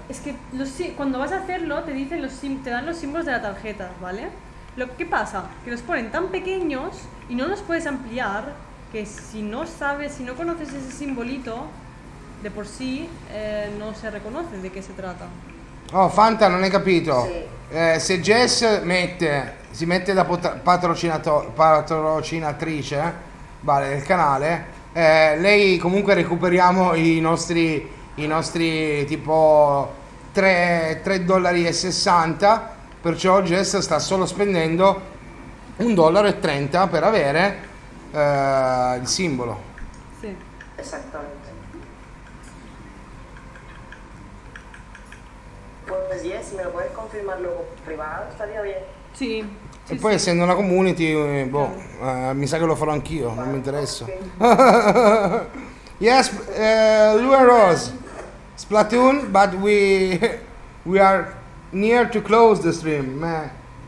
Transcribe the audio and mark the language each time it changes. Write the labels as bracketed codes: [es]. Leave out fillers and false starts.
[es] Es que cuando vas a hacerlo te dicen te dan los símbolos de la tarjeta, ¿vale? ¿Qué pasa? Que los ponen tan pequeños y no los puedes ampliar, que si no sabes, si no conoces ese simbolito, de por sí no se reconoce de qué se trata. [it] Oh, Fanta, non hai capito. Sì. Se Jess si mette da patrocinatrice, [es] vale, [it] del canale, lei comunque recuperiamo i nostri tipo 3,60 €, perciò Jess sta solo spendendo 1,30 € per avere il simbolo. Sì, esattamente. [es] Pues yes, ¿me lo puedes confirmar luego privado? ¿Estaría bien? Sí. [it] E poi sì. Essendo una community, boh, mi sa che lo farò anch'io, non mi interessa. [en] Yes, Lou and Rose, Splatoon, but we are near to close the stream, man.